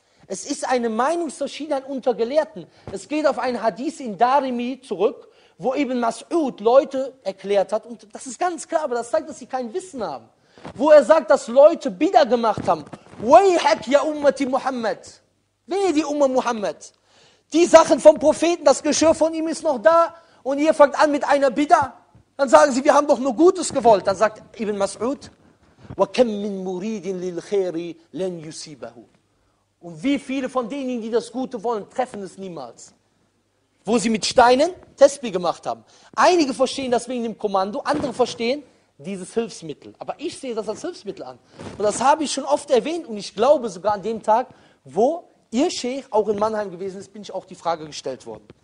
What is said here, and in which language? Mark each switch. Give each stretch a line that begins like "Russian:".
German: Es ist eine Meinungsverschiedenheit unter Gelehrten. Es geht auf einen Hadith in Darimi zurück, wo Ibn Mas'ud Leute erklärt hat, und das ist ganz klar, aber das zeigt, dass sie kein Wissen haben. Wo er sagt, dass Leute Bidda gemacht haben.
Arabic: Wayhak ya ummati Muhammad.
German: Wehe die Umma Muhammad. Die Sachen vom Propheten, das Geschirr von ihm ist noch da. Und ihr fangt an mit einer Bidda, dann sagen sie, wir haben doch nur Gutes gewollt.
Arabic: Dann sagt Ibn Mas'ud, وَكَمْ مِنْ مُرِيدٍ لِلْخَيْرِ لَنْ يُسِيبَهُ.
German: Und wie viele von denen, die das Gute wollen, treffen es niemals. Wo sie mit Steinen Tesbih gemacht haben. Einige verstehen das wegen dem Kommando, andere verstehen dieses Hilfsmittel. Aber ich sehe das als Hilfsmittel an. Und das habe ich schon oft erwähnt und ich glaube sogar an dem Tag, wo ihr Scheich auch in Mannheim gewesen ist, bin ich auch die Frage gestellt worden.